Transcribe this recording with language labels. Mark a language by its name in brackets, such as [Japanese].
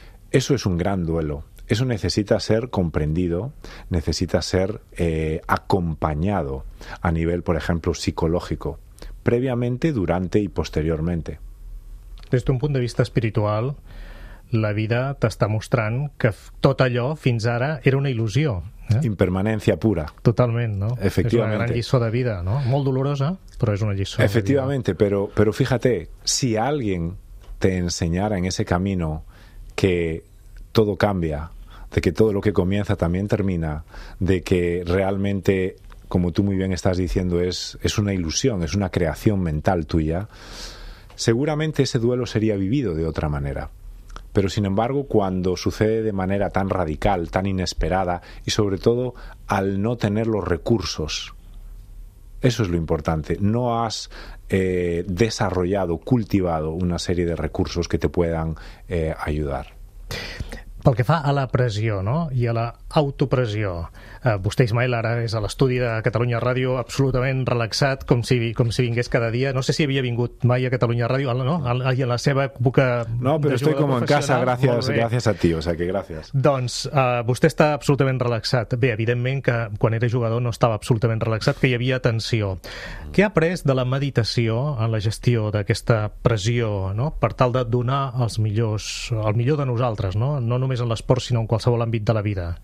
[Spanish] Eso es un gran duelo. Eso necesita ser comprendido, necesita ser acompañado a nivel, por ejemplo, psicológico, previamente, durante y posteriormente. Desde un punto de vista espiritual, [Catalan] la vida t'està mostrant que tot allò fins ara era una il·lusió. [Spanish] Impermanencia pura. [Catalan] Totalment, no? [Spanish] Efectivamente. [Catalan] És una gran lliçó de vida, no? Molt dolorosa, però és una lliçó. [Spanish] Efectivamente, pero fíjate, si alguien te enseñara en ese camino que todo cambia, de que todo lo que comienza también termina, de que realmente, como tú muy bien estás diciendo, es una ilusión, es una creación mental tuya, seguramente ese duelo sería vivido de otra manera. Pero sin embargo, cuando sucede de manera tan radical, tan inesperada, y sobre todo al no tener los recursos, eso es lo importante. No has desarrollado, cultivado una serie de recursos que te puedan ayudar. [Catalan] Pel que fa a la pressió, no? I a l'autopressió, vostè, Ismael, ara és a l'estudi de Catalunya Ràdio absolutament relaxat, com si vingués cada dia. No sé si havia vingut mai a Catalunya Ràdio, no? I a la seva època... [Spanish] No, però estoy como en casa, gracias a ti, o sea que gracias. [Catalan] Doncs vostè està absolutament relaxat. Bé, evidentment que quan era jugador no estava absolutament relaxat, que hi havia tensió. Què ha après de la meditació en la gestió d'aquesta pressió, no? Per tal de donar el millor de nosaltres, no? No només en l'esport, sinó en qualsevol àmbit de la vida.